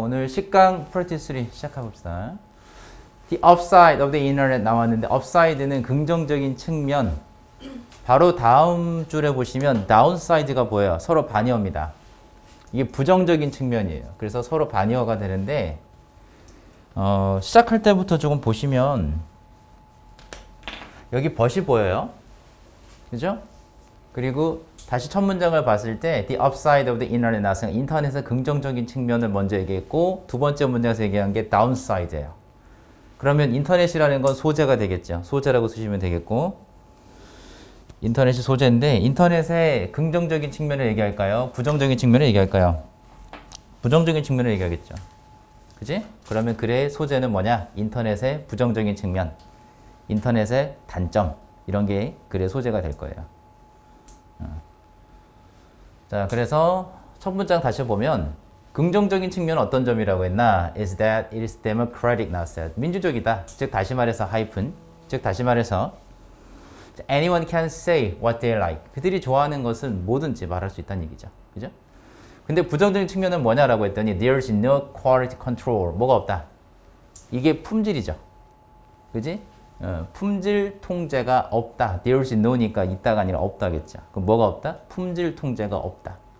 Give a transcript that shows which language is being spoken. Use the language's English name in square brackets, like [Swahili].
[Korean] 오늘 10강 프로티3 시작해봅시다. [English] The upside of the internet [Korean] 나왔는데, [English] upside는 [Korean] 긍정적인 측면. 바로 다음 줄에 보시면 downside가 보여요. 서로 반의어입니다. 이게 부정적인 측면이에요. 그래서 서로 반의어가 되는데, 시작할 때부터 조금 보시면, 여기 벗이 보여요. 그죠? 그리고 다시 첫 문장을 봤을 때, [English] The upside of the internet [Korean] 나왔으니까 인터넷의 긍정적인 측면을 먼저 얘기했고, 두 번째 문장에서 얘기한 게 downside예요. 그러면 인터넷이라는 건 소재가 되겠죠. 소재라고 쓰시면 되겠고, 인터넷이 소재인데, 인터넷의 긍정적인 측면을 얘기할까요? 부정적인 측면을 얘기할까요? 부정적인 측면을 얘기하겠죠. 그지? 그러면 글의 소재는 뭐냐? 인터넷의 부정적인 측면. 인터넷의 단점. 이런 게 글의 소재가 될 거예요. 자, 그래서 첫 문장 다시 보면, 긍정적인 측면은 어떤 점이라고 했나? [English] Is that it's democratic [Korean] 나왔어요. 민주적이다. 즉, 다시 말해서 하이픈. 즉, 다시 말해서, [English] anyone can say what they like. [Korean] 그들이 좋아하는 것은 뭐든지 말할 수 있다는 얘기죠. 그죠? 근데 부정적인 측면은 뭐냐라고 했더니, [English] there's no quality control. [Korean] 뭐가 없다. 이게 품질이죠. 그지? 품질 통제가 없다. [English] There's no [Korean] 니까 있다가 아니라 없다겠죠. 그럼 뭐가 없다? 품질 통제가 없다.